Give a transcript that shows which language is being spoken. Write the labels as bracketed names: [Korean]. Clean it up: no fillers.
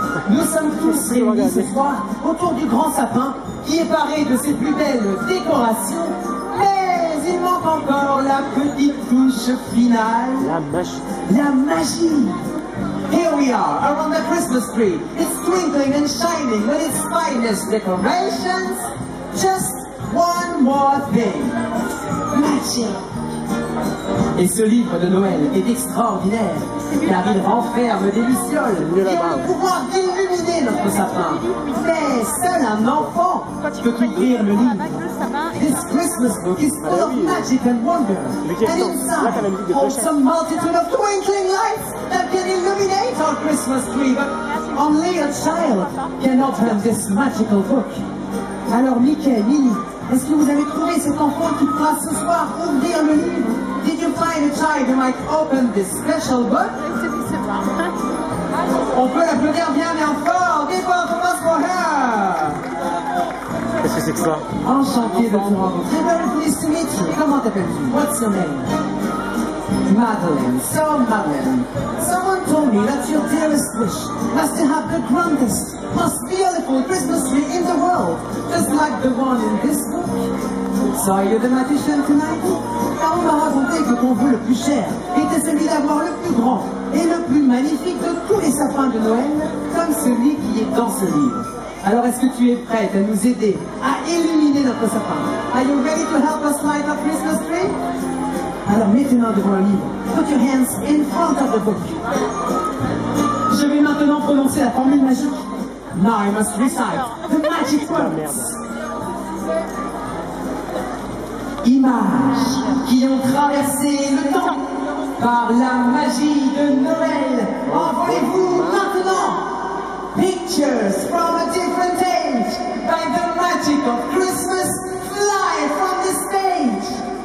[French] Nous sommes tous réunis ce soir autour du grand sapin qui est paré de ses plus belles décorations, mais il manque encore la petite touche finale. La magie. [English] Here we are around the Christmas tree. It's twinkling and shining with its finest decorations. Just one more thing. Magic. [French] Et ce livre de Noël est extraordinaire, car il renferme des lucioles qui ont le pouvoir d'illuminer notre sapin. Mais seul un enfant peut ouvrir le livre. [English] This Christmas book is full of magic and wonder, and inside holds a multitude of twinkling lights that can illuminate our Christmas tree. But only a child can open this magical book. [French] Alors Mickey, Minnie, est-ce que vous avez trouvé cet enfant qui pourra ce soir ouvrir le livre? [English] Did you find a child who might open this special book? [French] On peut l'applaudir bien et fort! Des points de passe pour her! Qu'est-ce que c'est que ça? Enchanté de te rencontrer. [English] Very pleased to meet you. [French] Comment t'appelles-tu? [English] What's your name? Madeleine. So, Madeleine. Someone told me that your dearest wish must have the grandest, most beautiful Christmas tree in the world, just like the one in this book. So, are you the magician tonight? [French] Car on m'a raconté que ton vœu le plus cher était celui d'avoir le plus grand et le plus magnifique de tous les sapins de Noël, comme celui qui est dans ce livre. Alors, est-ce que tu es prête à nous aider à illuminer notre sapin? [English] Are you ready to help us light our Christmas tree? [French] Alors, maintenant devant le livre. [English] Put your hands in front of the book. [French] Je vais maintenant prononcer la formule magique. [English] Now I must recite the magic words. [French] Images qui ont traversé le temps par la magie de Noël. Envoyez-vous maintenant. [English] Pictures from a different age by the magic of Christmas fly from the stage.